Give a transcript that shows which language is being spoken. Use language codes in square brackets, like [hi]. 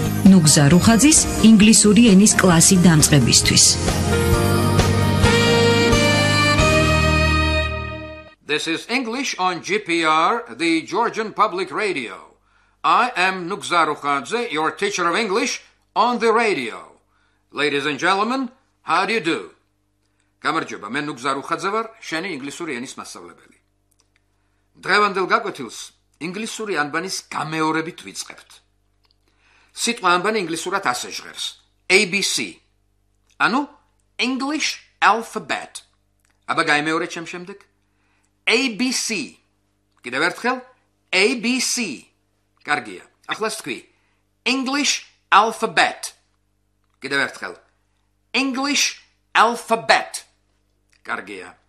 [ka] ნუგზარ რუხაძის ინგლისური ენის კლასი დამწყებისთვის. [en] This is English on GPR, the Georgian Public Radio. I am Nugzar Rukhadze, your teacher of English on the radio. Ladies and gentlemen, how do you do? [ka] გამარჯობა, მე ნუგზარ რუხაძე ვარ, შენი ინგლისური ენის მასწავლებელი. დღევანდელ გაკვეთილს ინგლისური ანბანის გამეორებით ვიწყებთ. სიტყვა ანბანი ინგლისურად ასე ჟღერს: ABC. [en] ანუ English alphabet. [ka] აბა გამეორეთ ჩემ შემდეგ? ABC. კიდევ ერთხელ? ABC. კარგია. ახლა თქვი: English alphabet. კიდევ ერთხელ? [en] English alphabet. კარგია.